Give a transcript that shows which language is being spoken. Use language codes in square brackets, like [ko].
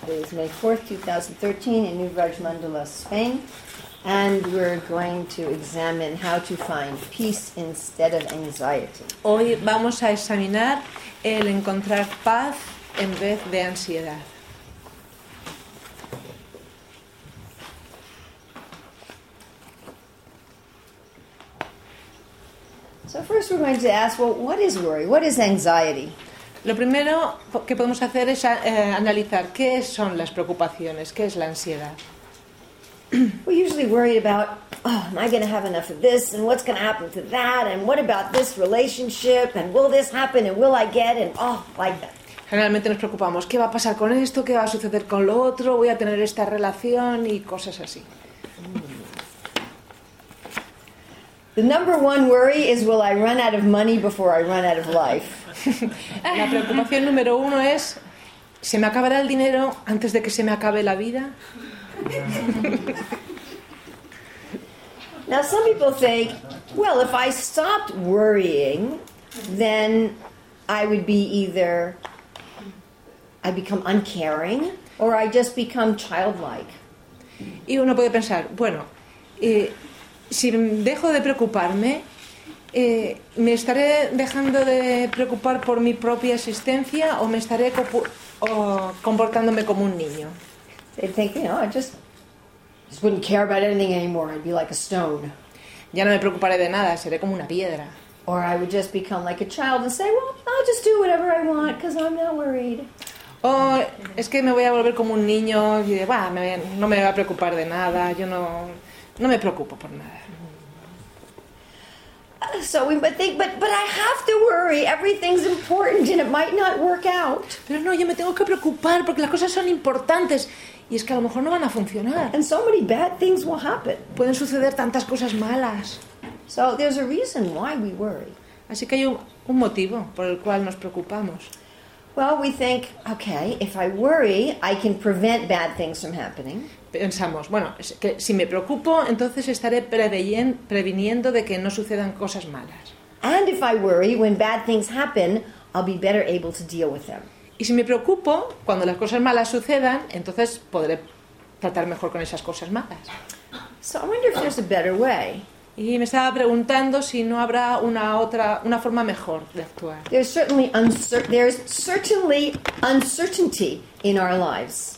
[en] Today is May 4th, 2013 in New Rajmandala, Spain, and we're going to examine how to find peace instead of anxiety. [es] Hoy vamos a examinar el encontrar paz en vez de ansiedad. [en] So first we're going to ask, well, what is worry? What is anxiety? [es] Lo primero que podemos hacer es analizar qué son las preocupaciones, qué es la ansiedad. [en] We usually worry about, oh, am I going to have enough of this, and what's going to happen to that, and what about this relationship, and will this happen, and will I get, and oh, like that. [es] Generalmente nos preocupamos, ¿qué va a pasar con esto? ¿Qué va a suceder con lo otro? ¿Voy a tener esta relación? Y cosas así. [en] The number one worry is, will I run out of money before I run out of life? [es] La preocupación número uno es, ¿se me acabará el dinero antes de que se me acabe la vida? [en] Now some people think, well, if I stopped worrying, then I would be either... I become uncaring, or I just become childlike. [es] Y uno puede pensar, bueno, si dejo de preocuparme, me estaré dejando de preocupar por mi propia existencia, o me estaré comportándome como un niño. [en] They think, you know, I just wouldn't care about anything anymore. I'd be like a stone. [es] Ya no me preocuparé de nada. Seré como una piedra. [en] Or I would just become like a child and say, well, I'll just do whatever I want because I'm not worried. [es] Oh, es que me voy a volver como un niño y bah, no me voy a preocupar de nada, yo no me preocupo por nada. [en] So we might think, but I have to worry, everything's important and it might not work out. [es] Pero no, yo me tengo que preocupar porque las cosas son importantes y es que a lo mejor no van a funcionar. [en] And so many bad things will happen. [es] Pueden suceder tantas cosas malas. [en] So there's a reason why we worry. [es] Así que hay un motivo por el cual nos preocupamos. [en] Well, we think, okay, if I worry, I can prevent bad things from happening. [es] Pensamos, bueno, que si me preocupo, entonces estaré previniendo de que no sucedan cosas malas. [en] And if I worry, when bad things happen, I'll be better able to deal with them. [es] Y si me preocupo, cuando las cosas malas sucedan, entonces podré tratar mejor con esas cosas malas. [en] So I wonder if there's a better way. [es] Y me estaba preguntando si no habrá una forma mejor de actuar. [en] There's certainly uncertainty in our lives.